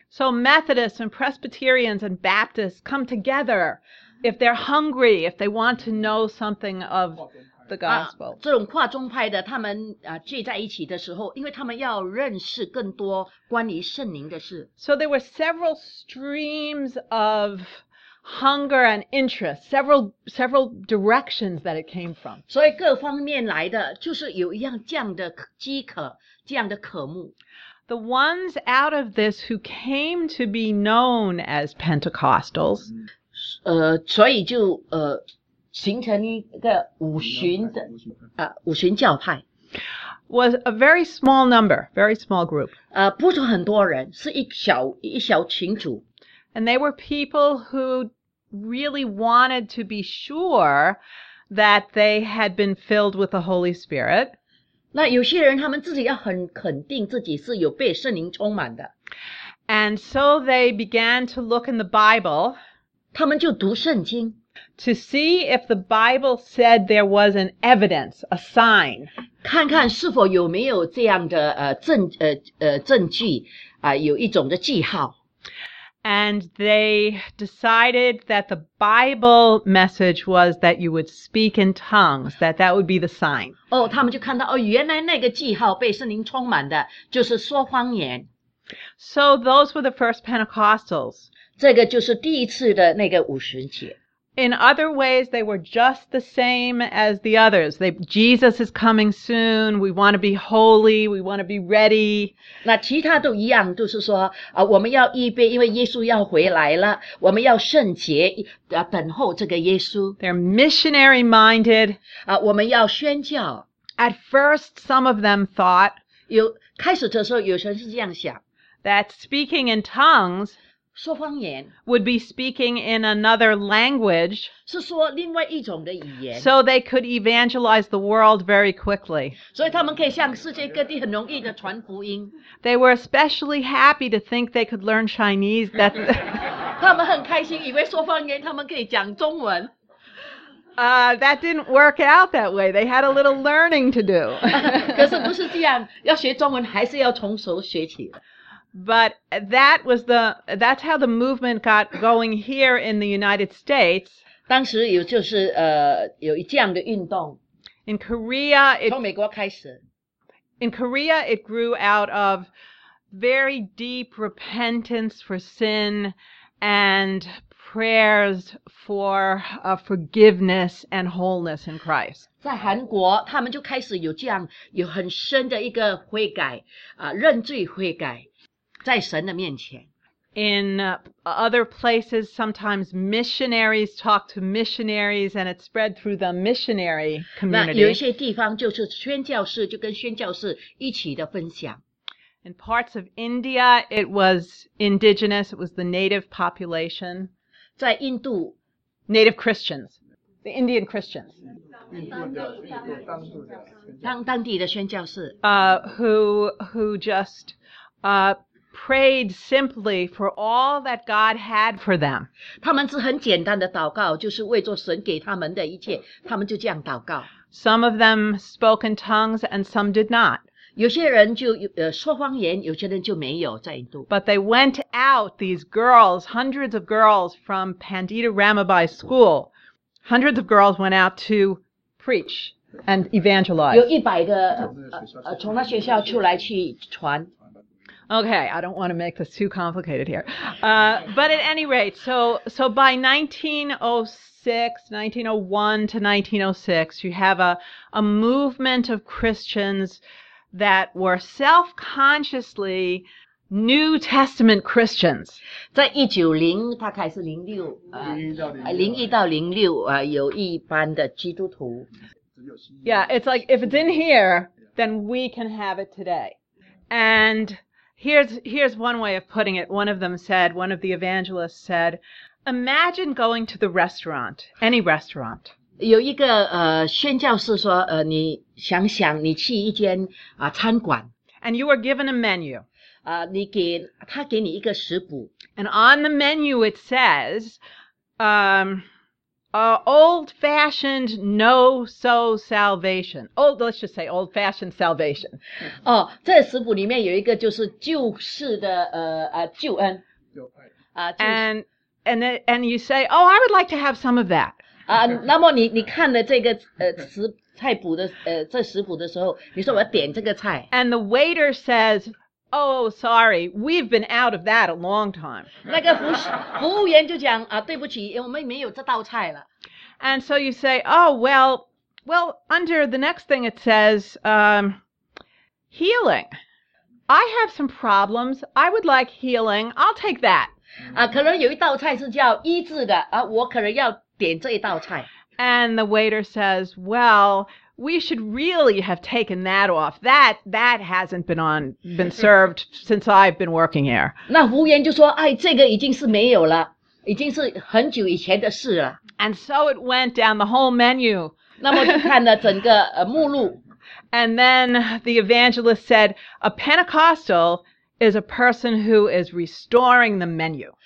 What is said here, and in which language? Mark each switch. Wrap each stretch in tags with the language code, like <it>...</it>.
<en>So Methodists and Presbyterians and Baptists come together if they're hungry, if they want to know something of the gospel.</en> <zh>这种跨宗派的他们聚在一起的时候，因为他们要认识更多关于圣灵的事。</zh> <en>So there were several streams of hunger and interest, several directions that it came from.</en> <zh>所以各方面来的就是有一样这样的饥渴，这样的渴慕。</zh> <en>The ones out of this who came to be known as Pentecostals,</en> <zh>所以就形成一个五旬教派。</zh> <en>Was a very small number, very small group.</en> <zh>不是很多人，是一小群组。</zh> <en>And they were people who really wanted to be sure that they had been filled with the Holy Spirit.</en> <zh>那有些人他们自己要很肯定自己是有被圣灵充满的。</zh> <en>And so they began to look in the Bible.</en> <zh>他们就读圣经。</zh> <en>To see if the Bible said there was an evidence, a sign.</en> <zh>看看是否有没有这样的证据有一种的记号。</zh> <en>And they decided that the Bible message was that you would speak in tongues, that would be the sign.</en> <zh>Oh, 他们就看到，哦，原来那个记号被圣灵充满的，就是说方言。</zh> <en>So those were the first Pentecostals.</en> <zh>这个就是第一次的那个五旬节。</zh> <en>In other ways, they were just the same as the others. Jesus is coming soon. We want to be holy. We want to be ready.</en> <zh>那其他都一样，就是说，我们要预备，因为耶稣要回来了，我们要圣洁，等候这个耶稣。</zh> <en>They're missionary minded.</en> <zh>我们要宣教。</zh> <en>At first, some of them thought,</en> <zh>开始的时候，有些人是这样想，</zh> <en>that speaking in tongues,</en> <zh>说方言</zh> <en>would be speaking in another language,</en> <zh>是说另外一种的语言</zh> <en>so they could evangelize the world very quickly.</en> <zh>所以他们可以向世界各地很容易的传福音。</zh> <en>They were especially happy to think they could learn Chinese.</en> <zh>他们很开心，以为说方言他们可以讲中文。</zh> <en>That didn't work out that way. They had a little learning to do.</en> <zh>可是不是这样，要学中文还是要从头学起。</zh> <en>But that's how the movement got going here in the United States.</en> <zh>当时有就是有这样的运动。</zh> <en>In Korea,</en> <zh>从美国开始。</zh> <en>In Korea, it grew out of very deep repentance for sin and prayers for forgiveness and wholeness in Christ.</en> <zh>在韩国，他们就开始有这样有很深的一个悔改认罪悔改。在神的面前。</zh> <en>In other places, sometimes missionaries talk to missionaries and it spread through the missionary community.</en> <zh>那有一些地方就是宣教士就跟宣教士一起的分享。</zh> <en>In parts of India, it was indigenous, it was the native population.</en> <zh>在印度。</zh> <en>Native Christians, the Indian Christians.</en> <zh>当地的宣教士。</zh> <en>Who just prayed simply for all that God had for them.</en> <zh>他们是很简单的祷告，就是为着神给他们的一切，他们就这样祷告。</zh> <en>Some of them spoke in tongues and some did not.</en> <zh>有些人就说方言，有些人就没有在印度。</zh> <en>But they went out, these girls, hundreds of girls from Pandita Ramabai School. hundreds of girls went out to preach and evangelize.</en> <zh>有一百个从那学校出来去传。</zh> <en>Okay, I don't want to make this too complicated here. But at any rate, so by 1901 to 1906, you have a movement of Christians that were self-consciously New Testament Christians.</en> <zh>在1901, 大概是 06, 01到06, 有一般的基督徒。</zh> <en>Yeah, it's like, if it's in here, then we can have it today. And here's one way of putting it. One of the evangelists said, imagine going to the restaurant, any restaurant.</en> <zh>有一个宣教士说你想想你去一间餐馆。</zh> <en>And you are given a menu.</en> <zh>你给他给你一个食谱。</zh> <en>And on the menu it says, old-fashioned no-so salvation. Let's just say old-fashioned salvation.</en> <zh>哦，这食谱里面有一个就是旧式的救恩。</zh> <en>And you say, I would like to have some of that.</en> <zh>那么你看了这个食谱的时候，你说我要点这个菜。</zh> <en>And the waiter says, sorry, we've been out of that a long time.</en> <zh>那个服务员就讲对不起，我们没有这道菜了。</zh> <en>And so you say, well, under the next thing it says, healing. I have some problems. I would like healing. I'll take that.</en> <zh>可能有一道菜是叫医治的我可能要点这一道菜。</zh> <en>And the waiter says, we should really have taken that off. That hasn't been served since I've been working here.</en> <zh>那服务员就说这个已经是没有了，已经是很久以前的事了。</zh> <en>And so it went down the whole menu.</en> <zh>那么就看了整个目录。</zh> <en>And then the evangelist said, a Pentecostal is a person who is restoring the menu.</en>